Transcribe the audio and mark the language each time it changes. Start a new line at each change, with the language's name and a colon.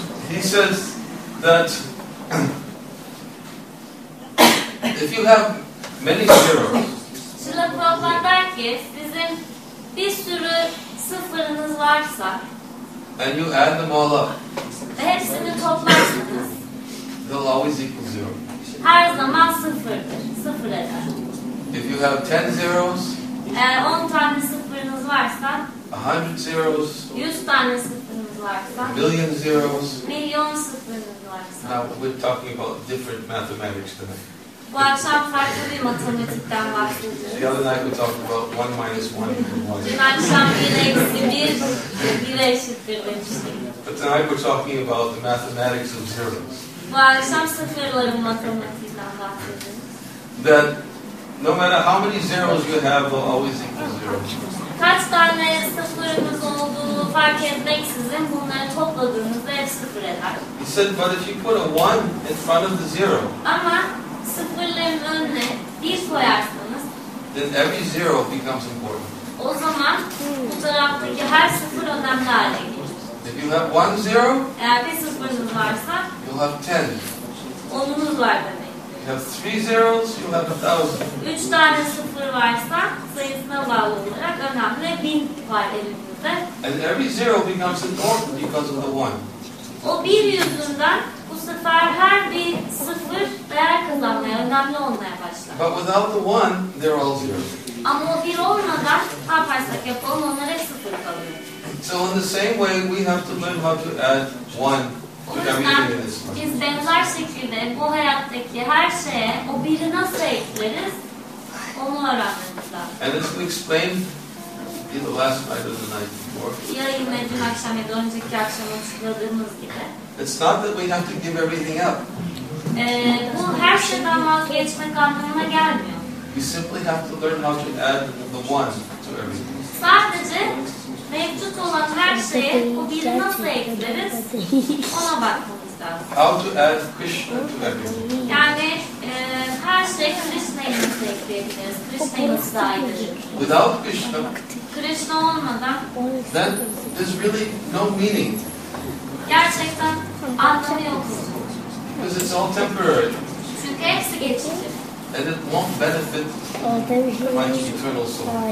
English: He says that if you have many zeros.
Turkish: Srila Prabhupada der ki sizin bir sürü sıfırınız varsa.
English: And you add them all up.
Turkish: Hepsini toplarsanız.
English: They'll always equal zero.
Turkish: Her zaman sıfırdır. Sıfır eder.
English: If you have 10 zeros.
Turkish: 10 tane sıfırınız varsa.
English: 100 zeros.
Turkish: 100 tane sıfırınız varsa.
English: Million zeros.
Turkish: Milyon sıfırınız varsa.
English: Now we're talking about different mathematics tonight.
Turkish: Bu akşam farklı bir matematikten bahsediyoruz.
English: The other night we talked about 1 minus 1 equals
Turkish: 1. Dün akşam 1 eksi 1, 1 eşittir demiştik.
English: But tonight we're talking about the mathematics of zeros.
Turkish: Bu akşam sıfırların matematiğinden bahsediyoruz.
English: That no matter how many zeros you have, they'll always equal zero.
Turkish: Kaç tane sıfırınız olduğunu fark etmeksizin bunları topladığınızda hep sıfır eder.
English: He said, but if you put a 1 in front of the 0.
Turkish: Ama sıfırların önüne bir koyarsanız,
English: then every zero becomes important.
Turkish: O zaman bu taraftaki her sıfır önemli hale gelir.
English: If you have 1 zero,
Turkish: eğer bir sıfırınız varsa,
English: you'll have 10.
Turkish: Onunuz var demek.
English: If you have 3 zeros, you'll have 1,000.
Turkish: 3 tane sıfır varsa sayısına bağlı olarak önemli 1000 var elimizde.
English: And every zero becomes important because of the 1.
Turkish: O bir yüzünden bu sefer her bir sıfır değer kazanmaya, önemli olmaya başlar.
English: But without the one, they're all zero.
Turkish: Ama o bir olmadan ne yaparsak yapalım onlar hep sıfır kalıyor.
English: So in the same way, we have to learn how to add one to everything in this life.
Turkish: Biz benzer şekilde bu hayattaki her şeye o biri nasıl ekleriz, onu öğrenmemiz lazım.
English: And as we explained in the last night of the night before.
Turkish: Yayın edin akşam ya da önceki akşam açıkladığımız gibi.
English: It's not that we have to give everything up.
Turkish: Bu her şeyden vazgeçmek anlamına gelmiyor.
English: We simply have to learn how to add the one to everything.
Turkish: Sadece mevcut olan her şeyi bu biri nasıl ekleriz ona bakmamız lazım.
English: How to add Krishna to everything.
Turkish: Yani her şey Krishna'yı nasıl ekleyebiliriz? Krishna'yı nasıl aydırır?
English: Without Krishna.
Turkish: Krishna olmadan.
English: Then there's really no meaning.
Turkish: Gerçekten anlamı yok.
English: Because it's all temporary.
Turkish: Çünkü hepsi geçici.
English: And it won't benefit my eternal soul.